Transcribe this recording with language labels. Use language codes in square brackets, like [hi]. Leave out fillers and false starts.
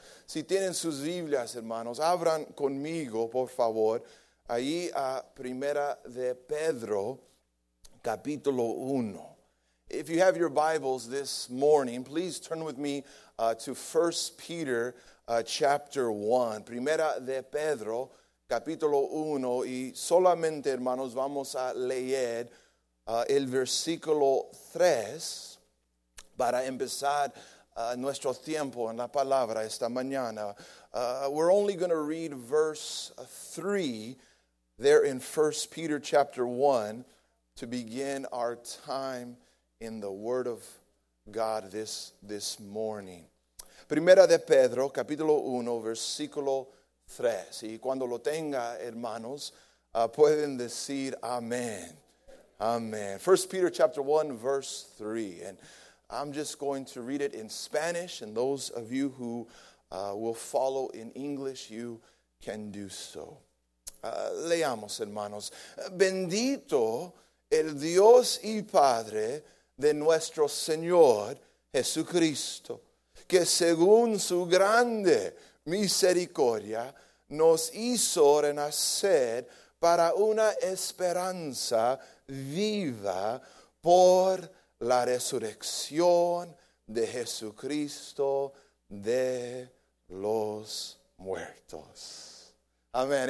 [es] Si tienen sus Biblias, hermanos, abran conmigo, por favor, ahí a Primera de Pedro, capítulo 1. [en] If you have your Bibles this morning, please turn with me to 1 Peter, chapter 1. [es] Primera de Pedro, capítulo 1. Y solamente, hermanos, vamos a leer el versículo 3 para empezar nuestro tiempo en la palabra esta mañana. [en] We're only going to read verse 3 there in 1 Peter chapter 1 to begin our time in the Word of God this morning. [es] Primera de Pedro, capítulo 1, versículo 3. Y cuando lo tenga, hermanos, pueden decir amén. [en] Amén. 1 Peter chapter 1, verse 3. And I'm just going to read it in Spanish, and those of you who will follow in English, you can do so. [es] Leamos, hermanos. Bendito el Dios y Padre de nuestro Señor Jesucristo, que según su grande misericordia nos hizo renacer para una esperanza viva por la resurrección de Jesucristo de los muertos. Amén.